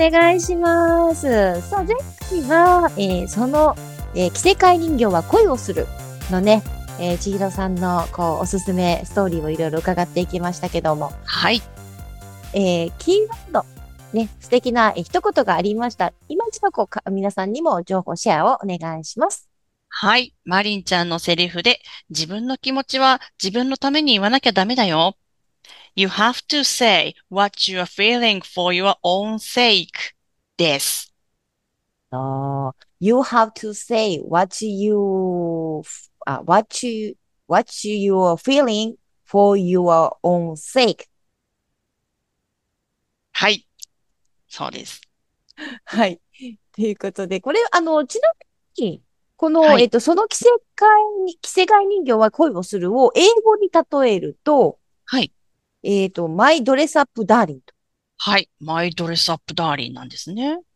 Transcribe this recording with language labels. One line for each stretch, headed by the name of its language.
Japanese: よろしくお願いします。さあ、前回は、その、奇世界人形は恋をするのね、千尋さんのこうおすすめストーリーをいろいろ伺っていきましたけども、はい、キーワードね、素敵な一言がありました。今一度こう皆さんにも情報シェアをお願いします。はい、マリンちゃんのセリフで、自分の気持ちは自分のために言わなきゃダメだよ。
English: You have to say what you are feeling for your own sake
Japanese: です。
English: You have to say what you are feeling for your own sake。
Japanese: はい、そうです。はい、ということで、これちなみにこの、はい、その奇世界人形は恋をするを英語に例えると、はい、
English: My dress up darling
Japanese: と。はい、
English: My dress up darling
Japanese: なんですね。